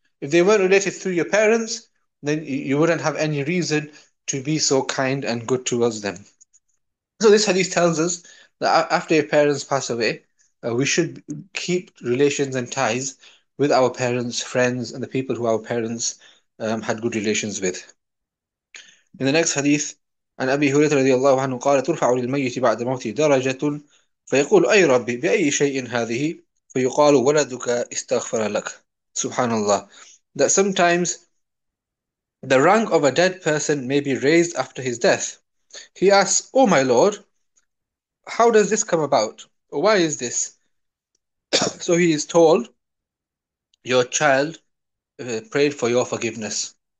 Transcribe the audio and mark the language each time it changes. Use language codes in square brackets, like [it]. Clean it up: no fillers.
[en] If they weren't related through your parents, then you wouldn't have any reason to be so kind and good towards them. So this hadith tells us that after your parents pass away, we should keep relations and ties with our parents, friends, and the people who our parents had good relations with. In the next hadith, [ar] عن أبي هريرة رضي الله عنه قال ترفع للميت بعد موته درجة فيقول أي ربي بأي شيء هذه فيقال ولدك استغفر لك. سبحان الله. [en] That sometimes the rank of a dead person may be raised after his death. He asks, Oh my Lord, how does this come about? Why is this? So he is told, Your child prayed for your forgiveness.